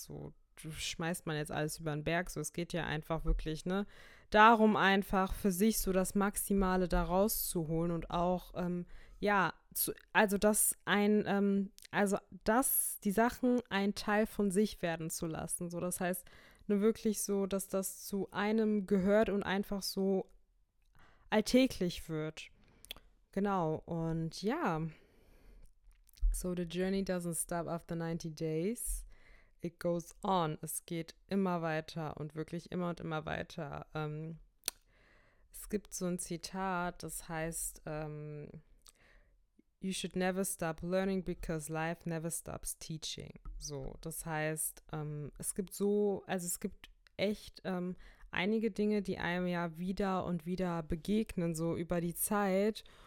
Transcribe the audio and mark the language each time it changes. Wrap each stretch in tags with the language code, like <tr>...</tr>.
<de>So, schmeißt man jetzt alles über den Berg? So, es geht ja einfach wirklich, ne, darum, einfach für sich so das Maximale da rauszuholen und auch, ja, also das ein, also dass die Sachen ein Teil von sich werden zu lassen. So, das heißt, nur wirklich so, dass das zu einem gehört und einfach so alltäglich wird. Genau, und ja.</de> <en>So, the journey doesn't stop after 90 days. It goes on.</en> <de>Es geht immer weiter und wirklich immer und immer weiter. Es gibt so ein Zitat, das heißt,</de> <en>you should never stop learning because life never stops teaching.</en> <de>So, das heißt, es gibt so, also es gibt echt einige Dinge, die einem ja wieder und wieder begegnen, so über die Zeit.</de>